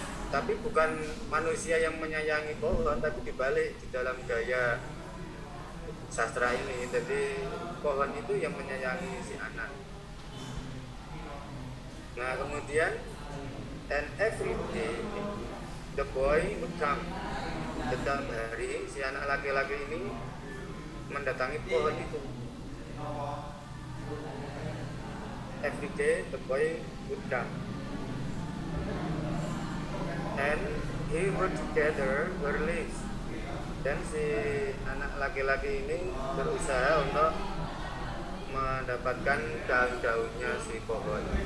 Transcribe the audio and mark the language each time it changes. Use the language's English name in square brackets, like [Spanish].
[Indonesian] Tapi bukan manusia yang menyayangi pohon, tapi dibalik di dalam gaya sastra ini. Jadi pohon itu yang menyayangi si anak. Nah kemudian, [English] and every day the boy would come. [Indonesian] Setiap hari si anak laki-laki ini mendatangi pohon itu. [English] Every day the boy would come. And he would gather her leaves. [Indonesian] Dan si anak laki-laki ini berusaha untuk mendapatkan daun-daunnya si pohon.